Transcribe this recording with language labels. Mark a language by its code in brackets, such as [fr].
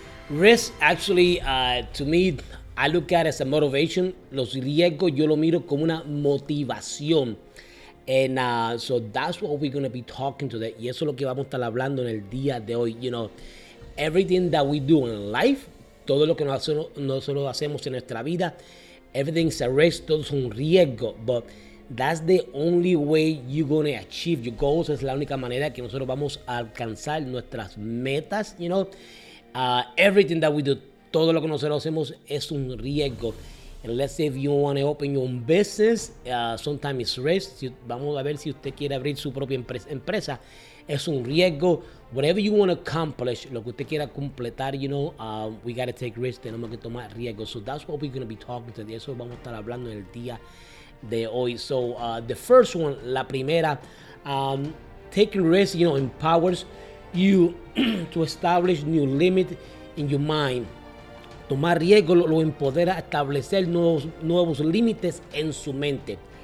[en] Risk, actually, to me, I look at it as a motivation. [es] Los riesgos, yo lo miro como una motivación. [en] So that's what we're going to be talking today. [es] Y eso es lo que vamos a estar hablando en el día de hoy. [en] Everything that we do in life, [es] todo lo que nosotros hacemos en nuestra vida, [en] everything's a risk, [es] todo es un riesgo. [en] But that's the only way you're going to achieve your goals. [es] Es la única manera que nosotros vamos a alcanzar nuestras metas, [en] everything that we do, [es] todo lo que nosotros hacemos es un riesgo. [en] And let's say if you want to open your own business, sometimes it's risk. [es] Vamos a ver si usted quiere abrir su propia empresa. Es un riesgo. [en] Whatever you want to accomplish, [es] lo que usted quiera completar, [en] we got to take risks. [es] Tenemos que tomar riesgos. [en] So that's what we're going to be talking today. [es] Eso vamos a estar hablando en el día de hoy. [en] So the first one, [es] la primera, [en] taking risks, empowers you to establish new limits in your mind. [es] Tomar riesgo lo empodera a establecer nuevos límites en su mente.